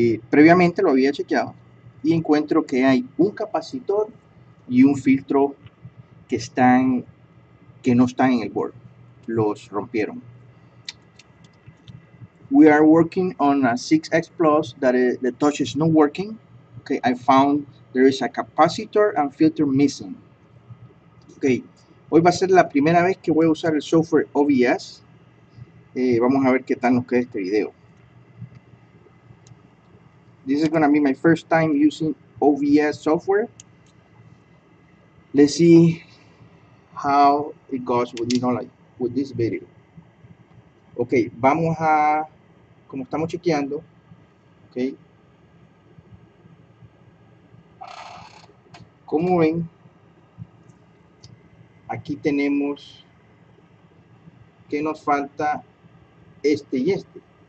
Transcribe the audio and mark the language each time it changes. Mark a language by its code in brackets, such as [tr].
[es] Previamente lo había chequeado y encuentro que hay un capacitor y un filtro que no están en el board. Los rompieron. [en] We are working on a 6X Plus that is, the touch is not working. Okay, I found there is a capacitor and filter missing. [es] Okay, hoy va a ser la primera vez que voy a usar el software OBS. Vamos a ver qué tal nos queda este video. [en] This is going to be my first time using OBS software. Let's see how it goes with, with this video. [es] Ok, vamos a, como estamos chequeando, ok, como ven, aquí tenemos que nos falta este y este.